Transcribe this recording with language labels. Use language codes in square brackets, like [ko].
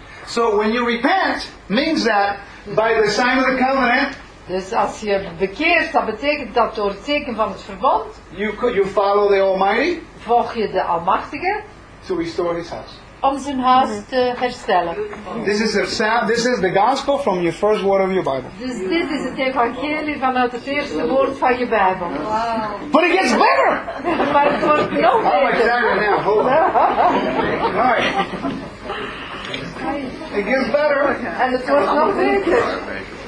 [en] So, when you repent, means that. By the sign of the covenant. [nl] Dus als je bekeert, dat betekent dat door het teken van het verbond. [en] You follow the Almighty. [nl] Volg je de Almachtige. [en] To restore his house. [nl] Om zijn huis te herstellen. [en] This is the gospel from your first word of your Bible. [nl] Dus dit is het evangelie vanuit het eerste woord van je Bijbel. [en] Wow. But it gets better. [nl] Maar het wordt nog beter. [en] I'm excited now. Hold on. All right. It gets better. And it was not better.